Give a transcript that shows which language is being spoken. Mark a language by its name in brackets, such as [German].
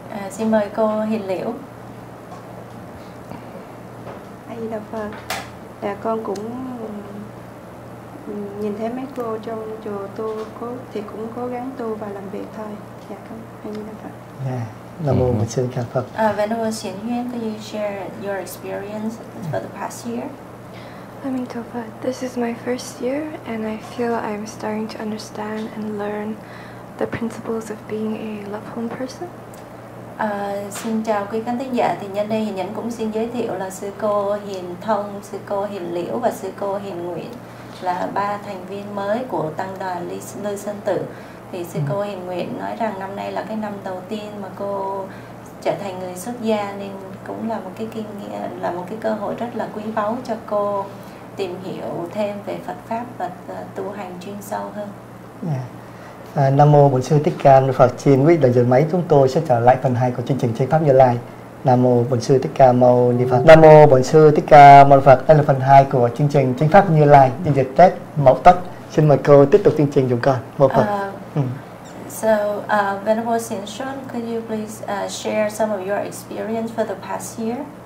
[Vietnamese] Xin mời cô Hiền Liễu. A Di Đà Phật. Dạ, con cũng nhìn thấy mấy cô trong chùa tu cố thì cũng cố gắng tu và làm việc thôi. Dạ, cảm ơn A Di Đà Phật. Nam mô Bổn Sư Thích Phật. [English] Venerable Xian Huyên, could you share your experience for the past year? Amitabha, this is my first year and I feel I'm starting to understand and learn the principles of being a loveful person. [Vietnamese] Xin chào quý khán thính giả. Thì nhân đây Hiền Nhẫn cũng xin giới thiệu là sư cô Hiền Thông, sư cô Hiền Liễu và sư cô Hiền Nguyễn là ba thành viên mới của tăng đoàn Lư Sơn Tự. Thì sư cô Hiền Nguyễn nói rằng năm nay là cái năm đầu tiên mà cô trở thành người xuất gia, nên cũng là một cái kinh nghiệm, là một cái cơ hội rất là quý báu cho cô tìm hiểu thêm về Phật pháp và tu hành chuyên sâu hơn. Nam mô Bổn Sư Thích Ca Mâu Phật. Xin quý đại diện máy chúng tôi sẽ trở lại phần 2 của chương trình Chánh Pháp Như Lai. Nam mô Bổn Sư Thích Ca Mâu Ni Phật. Nam mô Bổn Sư Thích Ca Mâu Phật. Đây là phần 2 của chương trình Chánh Pháp Như Lai, chương trình Tết Mậu Tuất. Xin mời cô tiếp tục chương trình chúng con. Một phần. [English] So, Venerable Xian Xun, could you please share some of your experience for the past year?